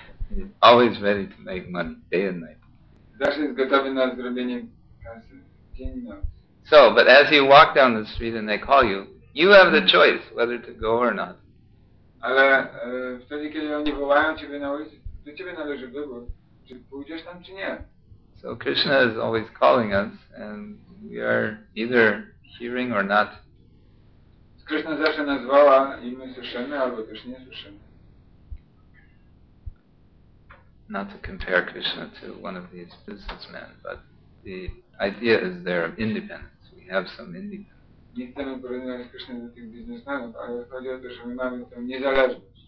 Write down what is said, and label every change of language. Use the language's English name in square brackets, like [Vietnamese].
[English] He's always ready to make money day and night. [Polish] Zawsze jest gotowy na zrobienie kasy dzień i noc. [English] So, but as you walk down the street and they call you, you have the choice whether to go or not. [Polish] Ale wtedy, kiedy oni wołają ciebie na ulicy, do ciebie należy wybór, czy pójdziesz tam, czy nie. [English] So Krishna is always calling us, and we are either hearing or not. [Polish] Krishna zawsze nas woła i my słyszymy, albo też nie słyszymy. [English] Not to compare Krishna to one of these businessmen, but the idea is there of independence. We have some independence. [Polish] Nie chcemy porównywać Krishna do tych biznesmenów, ale chodzi o to, że my mamy tę niezależność.